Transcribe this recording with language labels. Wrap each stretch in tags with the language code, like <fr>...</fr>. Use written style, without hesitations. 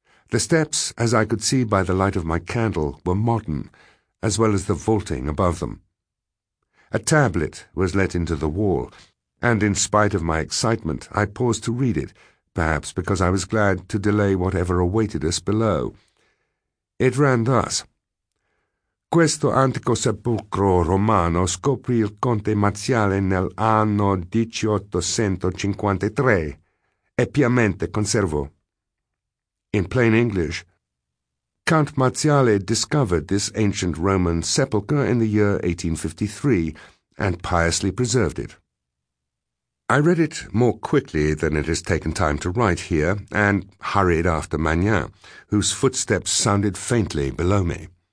<en>The steps, as I could see by the light of my candle, were modern, as well as the vaulting above them. A tablet was let into the wall, and in spite of my excitement, I paused to read it, perhaps because I was glad to delay whatever awaited us below.</en> <it>It ran thus: "Questo antico sepolcro romano scoprì il conte Marziale nel anno 1853. E piamente conservo."</it> <en>In plain English, Count Marziale discovered this ancient Roman sepulchre in the year 1853 and piously preserved it. I read it more quickly than it has taken time to write here, and hurried after Magnin, whose footsteps sounded faintly below me.</en>